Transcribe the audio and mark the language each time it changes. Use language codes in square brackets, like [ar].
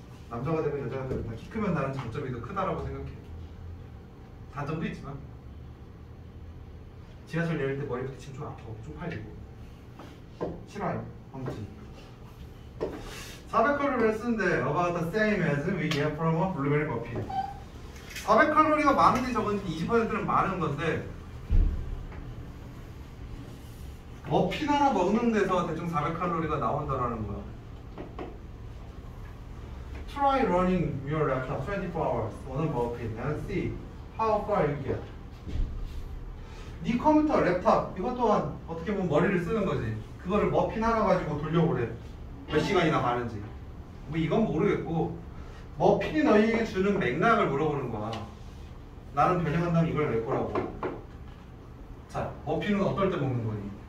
[ko] 남자가 되면 여자가 되면 키 크면 나는 장점이 더 크다라고 생각해. 단점도 있지만 지하철 내릴 때 머리부터 치면 좀 아파. 쪽팔리고 싫어요. 엄지 400칼로리를 쓰는데 [en] about the same as we get from a blueberry muffin. [ko] 400칼로리가 많은지 적은지 20%는 많은 건데 머핀 하나 먹는 데서 대충 400칼로리가 나온다라는 거야. [en] Try running your laptop 24 hours on a muffin and see how far you get. [ko] 네 컴퓨터, 랩탑 이것 또한 어떻게 보면 머리를 쓰는 거지. 그거를 머핀 하나 가지고 돌려보래. 몇 시간이나 가는지 뭐 이건 모르겠고 머핀이 너희에게 주는 맥락을 물어보는 거야. 나는 변형한다면 이걸 낼 거라고. 자, 머핀은 어떨 때 먹는 거니?